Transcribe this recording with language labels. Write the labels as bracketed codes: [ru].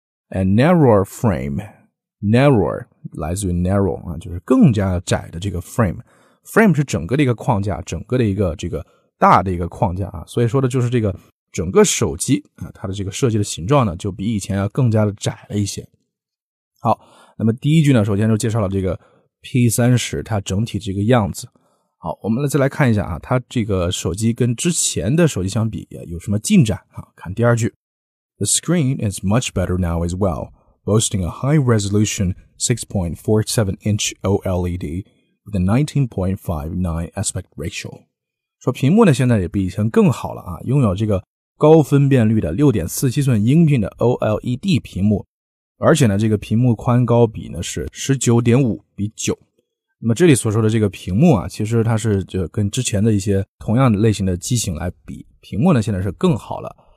[en] and narrower frame， [zh] narrower 来自于 narrow 啊，就是更加窄的这个 frame， frame 是整个的一个框架，整个的一个这个大的一个框架啊，所以说的就是这个整个手机啊，它的这个设计的形状呢就比以前要更加的窄了一些。好，那么第一句呢首先就介绍了这个 P30 它整体这个样子。好，我们再来看一下啊，它这个手机跟之前的手机相比有什么进展啊，看第二句。 [en] The screen is much better now as well, boasting a high resolution 6.47 inch OLED with a 19.59 aspect ratio。 [zh] 说屏幕呢现在也比以前更好了啊，拥有这个高分辨率的 6.47 寸英寸的 OLED 屏幕。而且呢这个屏幕宽高比呢是 19.5:9。那么这里所说的这个屏幕啊，其实它是就跟之前的一些同样的类型的机型来比，屏幕呢现在是更好了。